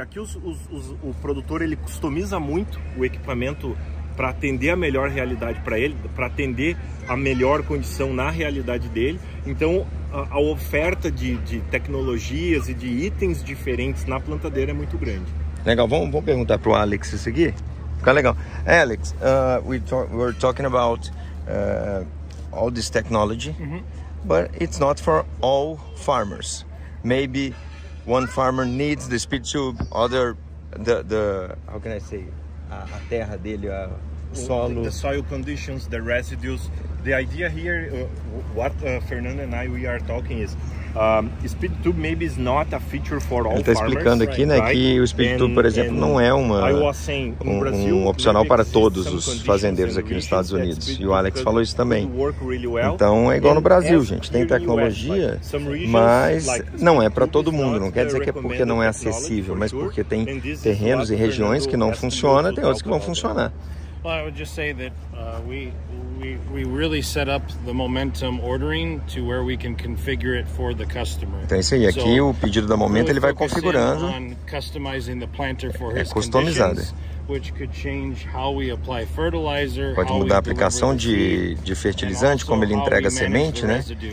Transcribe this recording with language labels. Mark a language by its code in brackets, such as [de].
[pt] Aqui o produtor ele customiza muito o equipamento para atender a melhor realidade para ele, para atender a melhor condição na realidade dele. Então, a oferta de tecnologias e de itens diferentes na plantadeira é muito grande. Legal. Vamos perguntar para o Alex se seguir? Fica legal. [en] Alex, we're talking about all this technology, but it's not for all farmers. Maybe one farmer needs the speed tube, other the how can I say it? [pt] A terra dele, o solo. [en] The soil conditions, the residues. The idea here, what Fernando and I, we are talking is, Speed Tube maybe is not a feature for all farmers. [pt] Ele está explicando aqui, né, que o Speed Tube, por exemplo, não é um opcional para todos os fazendeiros aqui nos Estados Unidos. E o Alex falou isso também. Então é igual no Brasil, gente. Tem tecnologia, mas não é para todo mundo. Não quer dizer que é porque não é acessível, mas porque tem terrenos e regiões que não funciona, tem outros que vão funcionar. [en] Well, I would just say that we really set up the momentum ordering to where we can configure it for the customer. [pt] Então, isso aí, aqui o pedido da momento ele vai configurando. [en] On customizing the planter for his customizado. Which could change how we apply fertilizer. [pt] Pode mudar a aplicação de fertilizante, como ele entrega a semente, né?